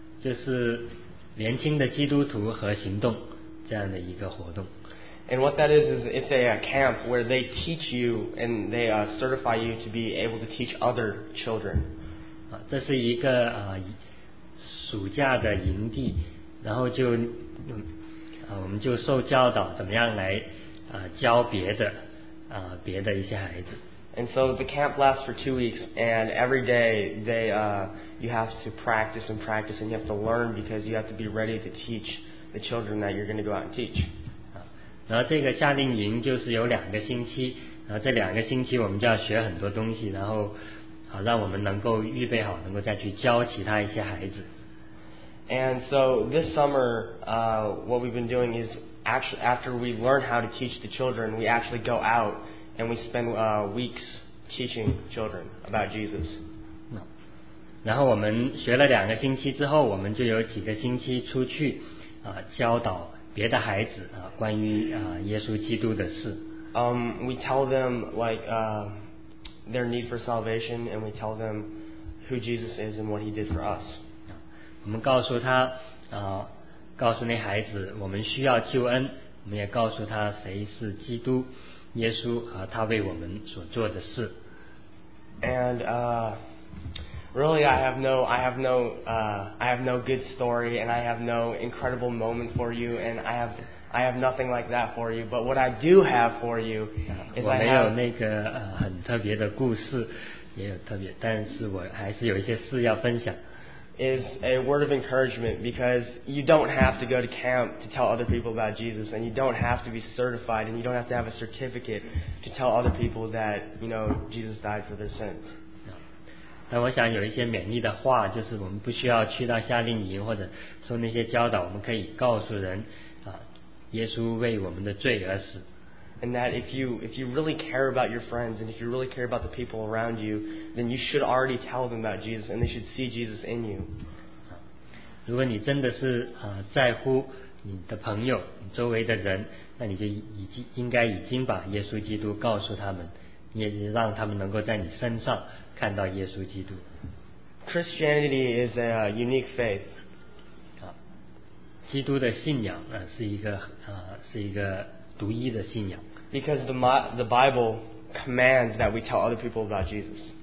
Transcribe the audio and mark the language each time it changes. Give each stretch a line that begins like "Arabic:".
Chinese: 就是年轻的基督徒和行动这样的一个活动。
English: And what that is it's a camp where they teach you and they certify you to be able to teach other children.
Chinese: 这是一个暑假的营地，然后就我们就受教导怎么样来教别的一些孩子。
English: And so the camp lasts for 2 weeks, and every day they you have to practice, and you have to learn because you have to be ready to teach the children that you're going to go out and teach.
Chinese: 然后这个夏令营就是有两个星期，然后这两个星期我们就要学很多东西，然后让我们能够预备好，能够再去教其他一些孩子。
English: And so this summer, what we've been doing is actually after we learn how to teach the children, we actually go out. And we spend weeks teaching children about Jesus.
Chinese: 然后我们学了两个星期之后，我们就有几个星期出去教导别的孩子关于耶稣基督的事。
English: We tell them like their need for salvation, and we tell them who Jesus is and what He did for us.
Chinese: 我们告诉他告诉那孩子我们需要救恩，我们也告诉他谁是基督。耶稣和他为我们所做的事。
English: And really, I have no good story, and I have no incredible moment for you, and I have nothing like that for you. But what I do have for you is
Chinese: 我没有那个很特别的故事，也有特别，但是我还是有一些事要分享。
English: Is a word of encouragement because you don't have to go to camp to tell other people about Jesus, and you don't have to be certified, and you don't have to have a certificate to tell other people that you know Jesus died for their sins.
Chinese: 但我想有一些勉励的话，就是我们不需要去到夏令营或者受那些教导，我们可以告诉人耶稣为我们的罪而死。
English: And that if you really care about your friends and if you really care about the people around you, then you should already tell them about Jesus and they should see Jesus in you.
Chinese: 如果你真的是在乎你的朋友、你周围的人，那你就应该已经把耶稣基督告诉他们，也让他们能够在你身上看到耶稣基督。
English: Christianity is a unique faith.
Chinese: 基督的信仰是一个是一个独一的信仰。
English: Because the Bible commands that we tell other people about Jesus.